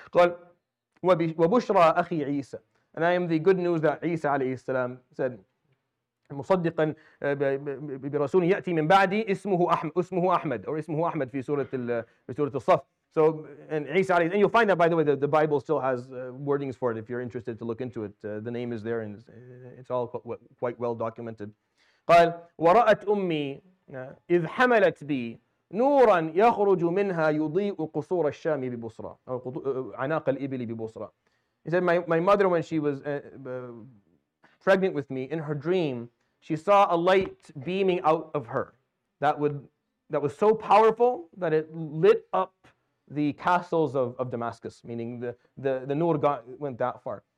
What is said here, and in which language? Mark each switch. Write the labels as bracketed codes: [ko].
[ar] Qal wa bushra akhi Isa. [en] And I am the good news that Isa alayhi salam said, [ar] musaddiqan bi rasuli yati min ba'di ismuhu Ahmad, [en] or [ar] ismuhu Ahmad fi surat as-Saff. [en] So, and Isa alayhi, and you'll find that, by the way, the Bible still has wordings for it if you're interested to look into it. The name is there and it's all quite well documented. [ar] Qal wa ra'at ummi id hamalat bi نورا يخرج منها يضيء قصور الشام ببصرة أو عناق الإبل ببصرة. [en] He said, my mother, when she was pregnant with me, in her dream, she saw a light beaming out of her that was so powerful that it lit up the castles of Damascus, meaning the nur went that far.